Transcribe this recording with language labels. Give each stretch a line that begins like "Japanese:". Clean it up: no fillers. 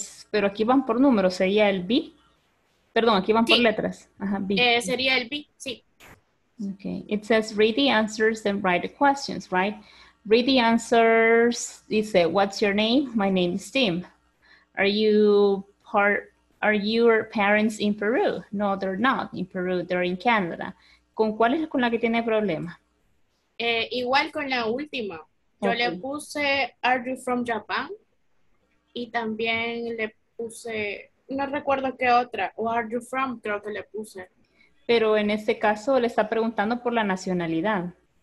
Spanish: Pero aquí van por números, sería el B. Perdón, aquí van sí. Por letras. Ajá, B. Sería el B, sí.
English: Ok, it says read the answers and write the questions, right? Read the answers,
Spanish: dice,
English: what's your name? My name is Tim. Are your parents in Peru? No, they're not in Peru, they're in Canada.
Spanish: ¿Con cuál es con la que tiene problema? Igual con la última. Okay. Yo le puse,
English: are you from Japan?
Spanish: Y también le puse, no recuerdo qué otra,
English: where you from,
Spanish: creo que le puse. Pero en este caso le está preguntando por la nacionalidad.